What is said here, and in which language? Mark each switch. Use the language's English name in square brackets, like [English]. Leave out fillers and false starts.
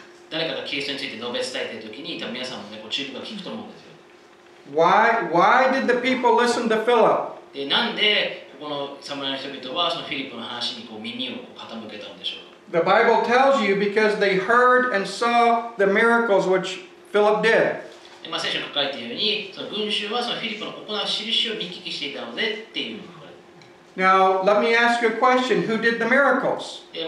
[Japanese] 誰かがキリストについて述べ伝えているときに、多分皆さんも、ね、こう注目が聞くと思うんですよ。 [English] Why did the people listen to Philip? [Japanese] で、なんでここのサムライの人々はそのフィリップの話にこう耳を傾けたんでしょうか。 [English] The Bible tells you because they heard and saw the miracles which Philip did. [Japanese] で、まあ、聖書に書かれているように、その群衆はそのフィリップの行う印を見聞きしていたのでっていう。 [English] Now, let me ask you a question. Who did the miracles?